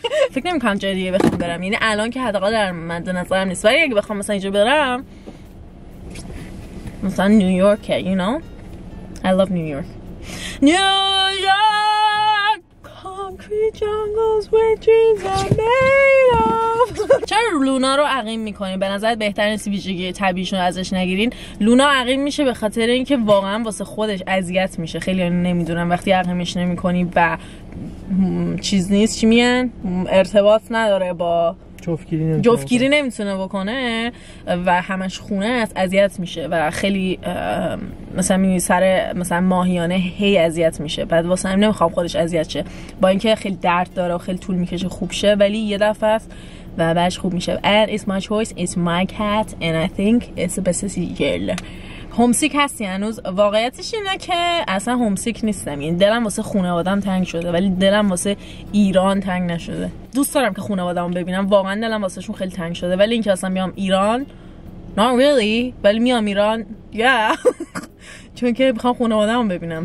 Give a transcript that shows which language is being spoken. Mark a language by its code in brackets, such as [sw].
[fa] فکر نمی کنم جای دیگه بخوام برم، یعنی الان که حداقل در مد نظرم نیست، ولی اگه بخوام مثلا اینجا برم مثلا نیویورکه، [en] you know I love New York. New York concrete jungles where dreams are made of. [fa] چرا لونا رو عقیم میکنی؟ به نظرت بهتر نیست ویژگی طبیعیشون ازش نگیرین. لونا عقیم میشه به خاطر اینکه واقعا واسه خودش اذیت میشه. خیلی ها نمیدونن وقتی عقیمش نمیکنی و چیز نیست چی میان؟ ارتباط نداره با جفتگیری نمیتونه بکنه و همش خونه است، اذیت میشه و خیلی مثلا میبینی سر مثلا ماهیانه هی اذیت میشه. بعد واسه همین نمیخوام خودش اذیت شه، با اینکه خیلی درد داره و خیلی طول میکشه خوب شه، ولی یه دفعه است و بعدش خوب میشه. [en] And it's my choice, it's my cat and I think it's the best girl. [fa] هومسیک هستی هنوز؟ واقعیتش اینه که اصلا هومسیک نیستم، یعنی دلم واسه خانواده‌ام تنگ شده ولی دلم واسه ایران تنگ نشده. دوست دارم که خانواده‌ام ببینم، واقعا دلم واسه شون خیلی تنگ شده، ولی اینکه اصلا میام ایران [en] not really، [fa] ولی میام ایران yeah چون که بخوام خانواده‌ام ببینم.